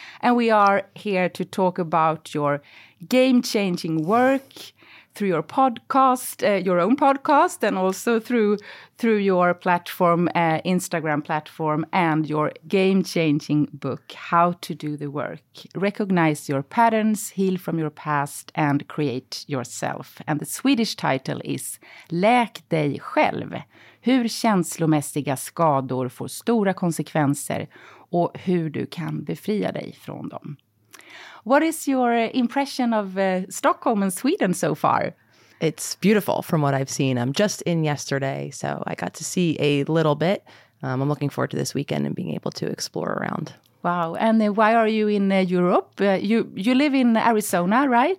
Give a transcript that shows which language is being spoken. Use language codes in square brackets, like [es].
[en] And we are here to talk about your game-changing work through your podcast, your own podcast, and also through your platform, Instagram platform, and your game-changing book, How to Do the Work. Recognize your patterns, heal from your past, and create yourself. And the Swedish title is Läk dig själv. [sv] Hur känslomässiga skador får stora konsekvenser och hur du kan befria dig från dem. [en] What is your impression of Stockholm and Sweden so far? It's beautiful from what I've seen. I'm just in yesterday, so I got to see a little bit. I'm looking forward to this weekend and being able to explore around. Wow. And why are you in Europe? You live in Arizona, right?